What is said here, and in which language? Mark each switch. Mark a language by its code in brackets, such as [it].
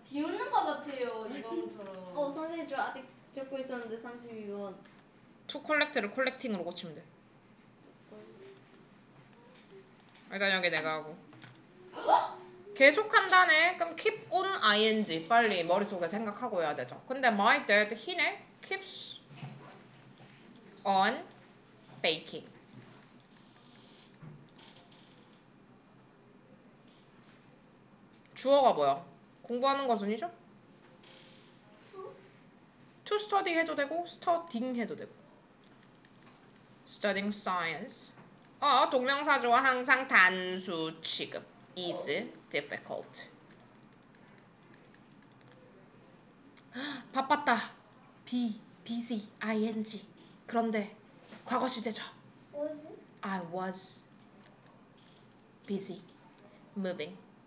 [ko] 비웃는 거 같아요, 이거처럼. 어, 선생님 저 아직 적고 있었는데 32원. 투 컬렉트를 컬렉팅으로 고치면 돼. 일단 여기 내가 하고. 계속한다네. 그럼 keep on ing 빨리 머릿속에 생각하고 해야 되죠. 근데 [en] my dad [ko] 희네 [en] keeps on baking. [ko] 주어가 뭐야? 공부하는 것은이죠? [en] To study [ko] 해도 되고 [en] studying 해도 되고 studying science. [ko] 어, 동명사 주어 항상 단수 취급. [en] Is difficult. [ko] 바빴다. Be, busy, ing. 그런데 과거 시제죠. [en] I was busy moving.